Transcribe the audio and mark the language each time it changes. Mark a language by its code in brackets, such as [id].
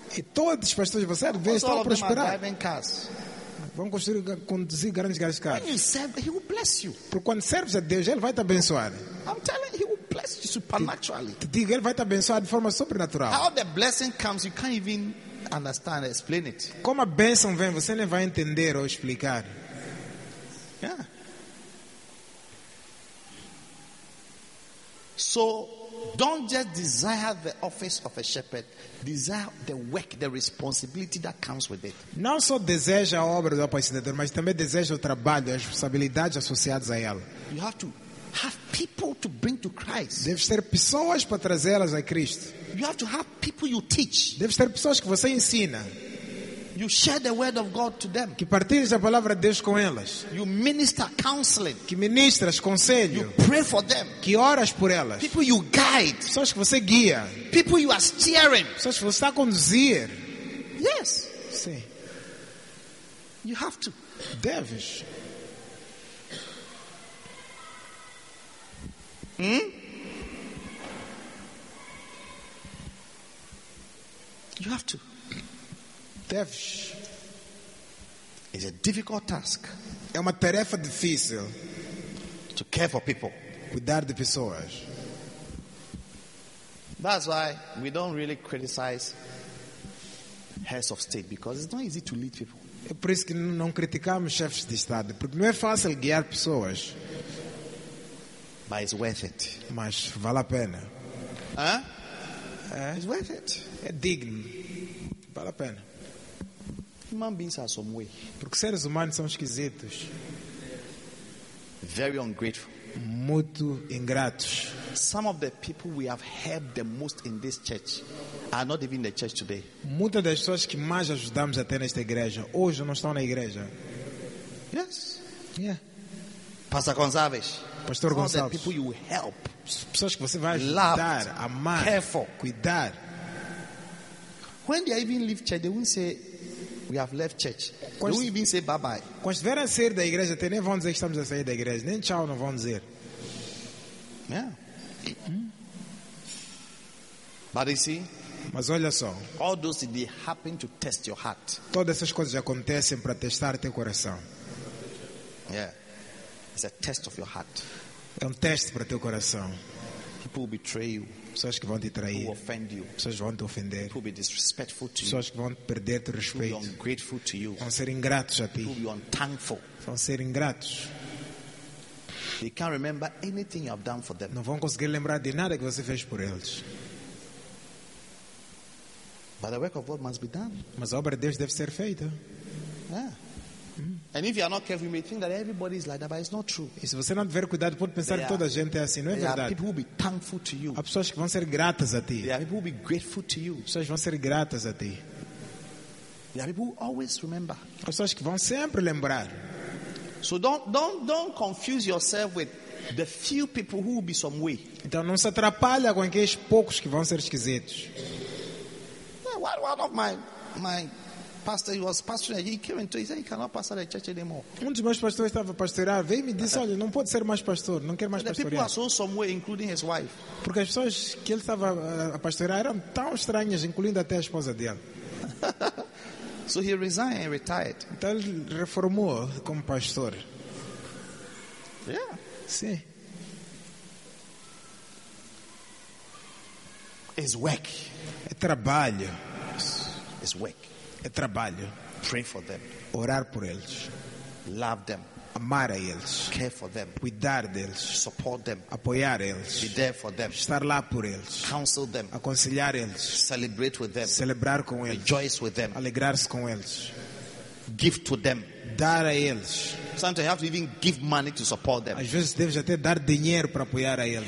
[pt] E todos os pastores, você vê, estão a prosperar. [en] All of them are driving cars. [pt] Vão conduzir grandes carros. [en] When you serve, he will bless you. [pt] Porque quando serves a Deus, ele vai te abençoar. [en] I'm telling you, he will bless you supernaturally. [pt] Te digo, ele vai te abençoar de forma sobrenatural. [en] How the blessing comes, you can't even understand, explain it. [pt] Como a bênção vem, você nem vai entender ou explicar. [en] Yeah. So, don't just desire the office of a shepherd. Desire the work, the responsibility that comes with it. [pt] Não só deseja a obra do apacentador, mas também deseja o trabalho, as responsabilidades associadas a ela. [en] You have to have people to bring to Christ. [pt] Deve ter pessoas para trazê-las a Cristo. [en] You have to have people you teach. [pt] Deve ter pessoas que você ensina. [en] You share the word of God to them. [pt] Que partilhas a palavra de Deus com elas. [en] You minister counseling. [pt] Que ministras conselho. [en] You pray for them. [pt] Que oras por elas. [en] People you guide. [pt] Pessoas que você guia. [en] People you are steering. [pt] Pessoas que você está a conduzir. [en] Yes. [pt] Sim. [en] You have to. [pt] Deves. [en] You have to. [pt] Deves. [en] It's a difficult task. [pt] É uma tarefa difícil. [en] To care for people. [pt] Cuidar de pessoas. [en] That's why we don't really criticize heads of state because it's not easy to lead people. [pt] É por isso que não criticamos chefes de estado, porque não é fácil guiar pessoas. [en] But it's worth it. [pt] Mas vale a pena. [en] Huh? It's worth it. [pt] É digno. Vale a pena. [en] Human beings are some way. [pt] Porque seres humanos são esquisitos. [en] Very ungrateful. [pt] Muito ingratos. [en] Some of the people we have helped the most in this church are not even in the church today. [pt] Muitas das pessoas que mais ajudamos até nesta igreja hoje não estão na igreja. [en] Yes. Yeah. Pastor Gonçalves. [pt] Pastor Gonçalves. [en] The people you help. [pt] Pessoas que você vai ajudar, amar, [en] care for, [pt] cuidar. [en] When they even leave church, they won't say we have left church. [pt] Quando [en] they won't even say bye bye. [pt] Quando estiverem a sair da igreja, até nem vão dizer que estamos a sair da igreja. Nem tchau não vão dizer. [en] Yeah. But you see, [pt] mas olha só. [en] All those they happen to test your heart. [pt] Todas essas coisas acontecem para testar teu coração. [en] Yeah. It's a test of your heart. [pt] É um teste para teu coração. [en] People will betray you. [pt] Pessoas que vão te trair. [en] Will offend you. [pt] Pessoas vão te ofender. [en] People will be disrespectful to you. [pt] Pessoas que vão perder teu respeito. [en] Will be ungrateful to you. [pt] Vão ser ingratos a ti. [en] People will be unthankful. [pt] Vão ser ingratos. [en] They can't remember anything you have done for them. [pt] Não vão conseguir lembrar de nada que você fez por eles. [en] But the work of God must be done. [pt] Mas a obra de Deus deve ser feita. [en] Yeah. And if you are not careful, you may think that everybody is like that, but it's not true. [pt] E se você não tiver cuidado, pode pensar que toda a gente é assim, não é verdade? [en] There are people who will be thankful to you. [pt] Há pessoas que vão ser gratas a ti. [en] There are people who will be grateful to you. [pt] Pessoas vão ser gratas a ti. [en] There are people who always remember. [pt] Há pessoas que vão sempre lembrar. [en] So don't confuse yourself with the few people who will be some way. [pt] Então não se atrapalhe com aqueles poucos que vão ser esquisitos. [en] Why do one of my pastor, he was pastoring. He came and told me, he said, he cannot pastor the church anymore. [pt] Um dos meus pastores estava a pastorear, veio e me disse, olha, não pode ser mais pastor, não quer mais [en] the [pt] pastorear. [en] The people are so some way, including his wife. [pt] Porque as pessoas que ele estava a pastorear eram tão estranhas, incluindo até a esposa dele. [en] So he resigned and retired. [pt] Então ele reformou como pastor. [en] Yeah. [pt] Sim. [en] It's work. [pt] É trabalho. [en] It's work. [pt] É trabalho. [en] Pray for them. [pt] Orar por eles. [en] Love them. [pt] Amar a eles. [en] Care for them. [pt] Cuidar deles. [en] Support them. [pt] Apoiar eles. [en] Be there for them. [pt] Estar lá por eles. [en] Counsel them. [pt] Aconselhar eles. [en] Celebrate with them. [pt] Celebrar com eles. [en] Rejoice with them. [pt] Alegrar-se com eles. [en] Give to them. [pt] Dar a eles. [en] Sometimes you have to even give money to support them. [pt] Às vezes deves até dar dinheiro para apoiar a eles.